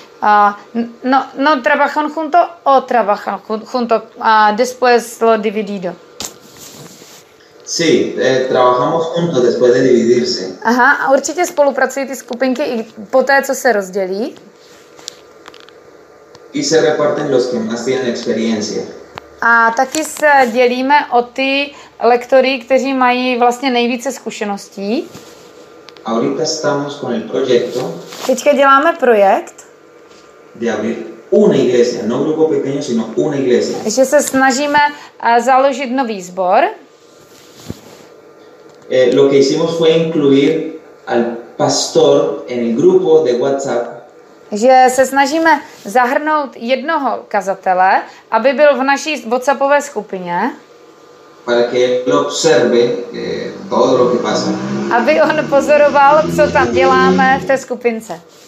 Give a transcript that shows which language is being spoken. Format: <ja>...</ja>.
<es>No trabajan junto o trabajan junto después lo dividido. Sí, trabajamos juntos después de dividirse.</es> <cs>Aha, a určitě spolupracují ty skupinky i poté, co se rozdělí.</cs> <es>Y se reparten los que más tienen experiencia.</es> <cs>A taky se dělíme o ty lektory, kteří mají vlastně nejvíce zkušeností.</cs> <es>Ahorita estamos con el proyecto.</es> <cs>Teďka děláme projekt.</cs> <es>De abrir una iglesia, no grupo pequeño, sino una iglesia.</es> <cs>Že se snažíme založit nový sbor.</cs> <es>Lo que hicimos fue incluir al pastor en el grupo de WhatsApp.</es> <cs>Že se snažíme zahrnout jednoho kazatele, aby byl v naší WhatsAppové skupině.</cs> <es>Para que él observe todo lo que pasa.</es> <cs>Aby on pozoroval, co tam děláme v té skupince.</cs>